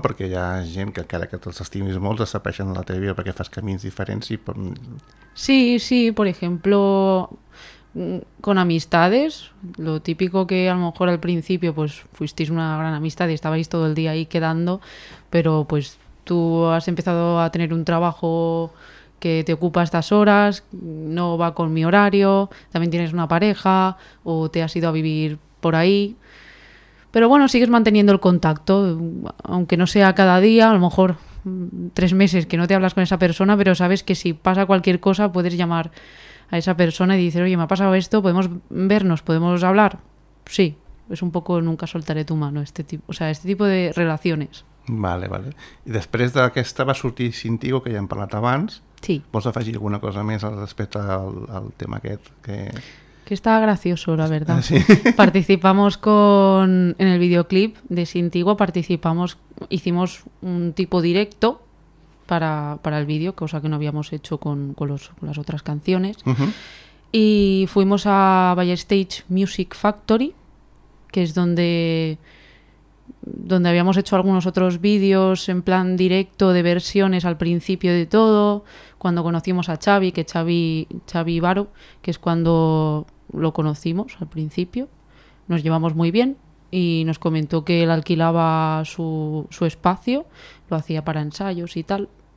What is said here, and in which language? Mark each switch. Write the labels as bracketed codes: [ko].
[ca] Perquè hi ha gent que encara que te'ls estimis molt, es sapeixen la teva vida perquè fas camins diferents i... [es] Sí, sí, por ejemplo, con amistades, lo típico que a lo mejor al principio pues fuisteis una gran amistad y estabais todo el día ahí quedando, pero pues tú has empezado a tener un trabajo que te ocupa estas horas, no va con mi horario, también tienes una pareja o te has ido a vivir por ahí. Pero bueno, sigues manteniendo el contacto, aunque no sea cada día, a lo mejor 3 meses que no te hablas con esa persona, pero sabes que si pasa cualquier cosa puedes llamar a esa persona y dices, oye, me ha pasado esto, ¿podemos vernos? ¿Podemos hablar? Sí, es un poco nunca soltaré tu mano, este tipo, o sea, este tipo de relaciones. Vale, vale. [ca] I després d'aquesta va sortir Sintigo, que ja hem parlat abans. Sí. Vols afegir alguna cosa més al respecte al tema aquest? [es] Que estaba gracioso, la verdad. ¿Sí? Participamos con... En el videoclip de Sintigo participamos... Hicimos un tipo directo para el vídeo, cosa que no habíamos hecho con las otras canciones. Uh-huh. Y fuimos a Ballestage Music Factory, que es donde habíamos hecho algunos otros vídeos en plan directo de versiones al principio de todo, cuando conocimos a Xavi, que Xavi Ibaro, que es cuando lo conocimos al principio, nos llevamos muy bien y nos comentó que él alquilaba su espacio, lo hacía para ensayos y tal.